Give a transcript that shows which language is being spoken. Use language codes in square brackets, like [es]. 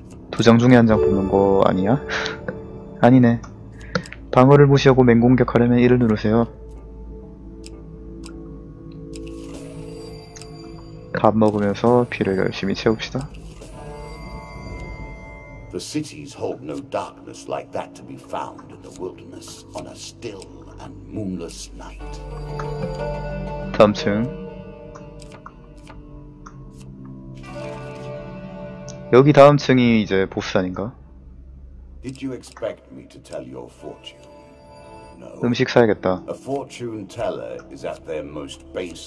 [ko] 두 장 중에 한 장 뽑는 거 아니야? 아니네. 방어를 무시하고 맹공격하려면 1을 누르세요. 밥 먹으면서 피를 열심히 채웁시다. [en] The cities hold no darkness like that to be found in the wilderness on a still and moonless night. [ko] 다음 층. 여기 다음 층이 이제 보스 아닌가? [en] Did you expect me to tell your fortune? [ko] No. 음식 사야겠다. [en] A fortune teller is at their most base.